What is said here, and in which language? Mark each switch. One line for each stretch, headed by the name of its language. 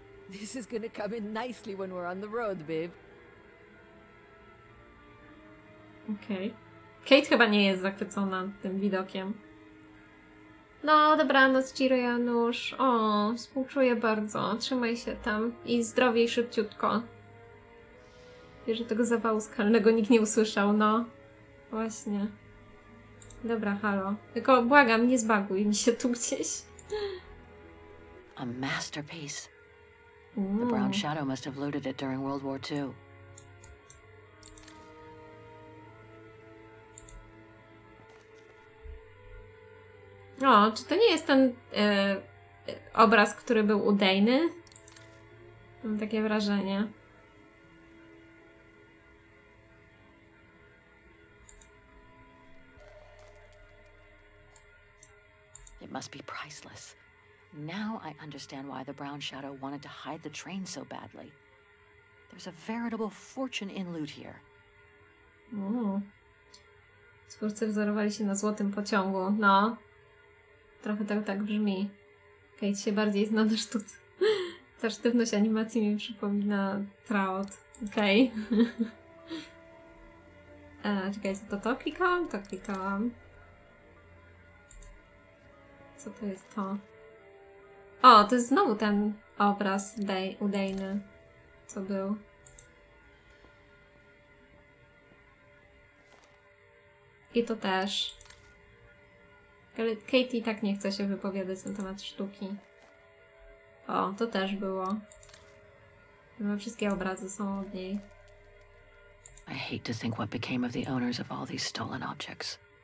English: This is gonna come in nicely when we're on the road, babe. Okej. Okay.
Polish: Kate chyba nie jest zachwycona tym widokiem. No, dobranoc, Ciro Janusz. O, współczuję bardzo. Trzymaj się tam i zdrowiej szybciutko. Wiesz, że tego zawału skalnego nikt nie usłyszał, no. Właśnie. Dobra, halo. Tylko błagam, nie zbaguj mi się tu gdzieś.
English: A masterpiece. The brown shadow must have looted it during World War II.
Polish: O, czy to nie jest ten obraz, który był u Dejny? Mam takie wrażenie.
English: It must be priceless. Now I understand why the Brown Shadow wanted to hide the train so badly. There's a veritable fortune in loot here.
Polish: Twórcy wzorowali się na złotym pociągu. No. Trochę tak, tak brzmi. Kate się bardziej zna na sztuce. Ta sztywność animacji mi przypomina Trout. Okej. Okay. czekajcie, to klikałam? To klikałam. Co to jest to? O, to jest znowu ten obraz u Dejny, co był. I to też. Ale Katie tak nie chce się wypowiadać na temat sztuki. O, to też było. Chyba wszystkie obrazy są od niej.
English: I hate to think what became of the owners of all these stolen objects.